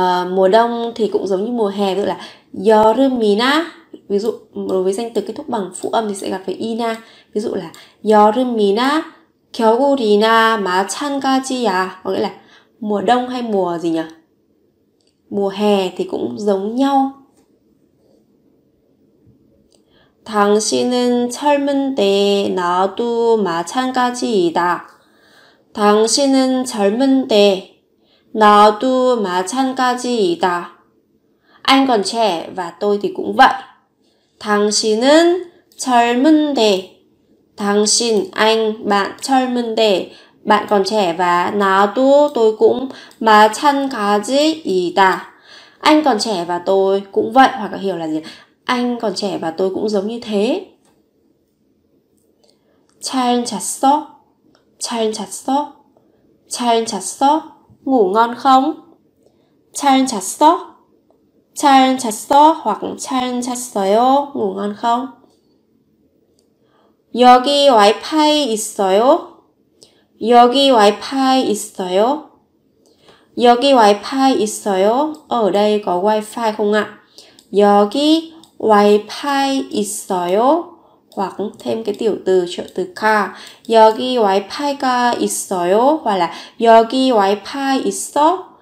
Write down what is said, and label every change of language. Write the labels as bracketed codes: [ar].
[vi] Mùa đông thì cũng giống như mùa hè, tức là [ko] 여름이나. [vi] Ví dụ đối với danh từ kết thúc bằng phụ âm thì sẽ gặp phải 이나. Ví dụ là [ko] 여름이나 겨울이나 마찬가지야. [vi] Có nghĩa là mùa đông hay mùa gì nhỉ? Mùa hè thì cũng giống nhau. [ko] 당신은 젊은데 나도 마찬가지이다. 당신은 젊은데 나도 마찬가지이다. [vi] Anh còn trẻ và tôi thì cũng vậy. [ko] 당신은 젊은데. [vi] 당신, anh, bạn, [ko] 젊은데. [vi] Bạn còn trẻ và [ko] 나도, [vi] tôi cũng [ko] 마찬가지이다. [vi] Anh còn trẻ và tôi cũng vậy, hoặc là hiểu là gì? Anh còn trẻ và tôi cũng giống như thế. [ko] 잘 잤어? 잘 잤어? 잘 잤어? [vi] Ngủ ngon không? [ko] 잘 잤어? 잘 잤어? Hoặc 잘 잤어요? [vi] Ngủ ngon không? [ko] 여기 와이파이 있어요? 여기 와이파이 있어요? 여기 와이파이 있어요? [vi] Ở đây có wifi không ạ? [ko] 여기 와이파이 있어요? [vi] Hoặc thêm cái tiểu từ, trợ từ 가. [ko] 여기 와이파이가 있어요? [vi] Hoặc là [ko] 여기 와이파이 있어?